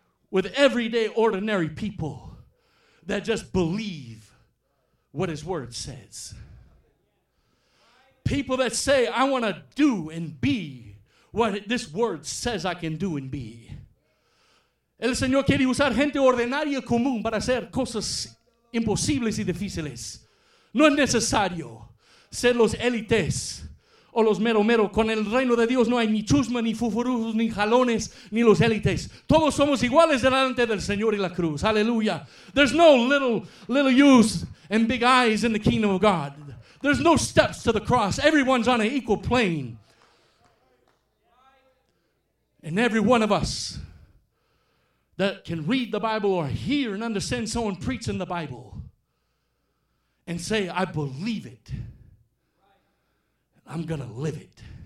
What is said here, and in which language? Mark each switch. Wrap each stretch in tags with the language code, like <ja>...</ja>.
<en>With everyday ordinary people that just believe what his word says. People that say, I want to do and be what this word says I can do and be.</en> <es>El Señor quiere usar gente ordinaria común para hacer cosas imposibles y difíciles. No es necesario ser los élites. O los mero mero, con el reino de Dios no hay ni chusma, ni fufurus, ni jalones, ni los élites. Todos somos iguales delante del Señor y la cruz.</es> <en>Hallelujah. There's no little U's and big I's in the kingdom of God. There's no steps to the cross. Everyone's on an equal plane. And every one of us that can read the Bible or hear and understand someone preaching the Bible and say, I believe it. I'm going to live it.</en>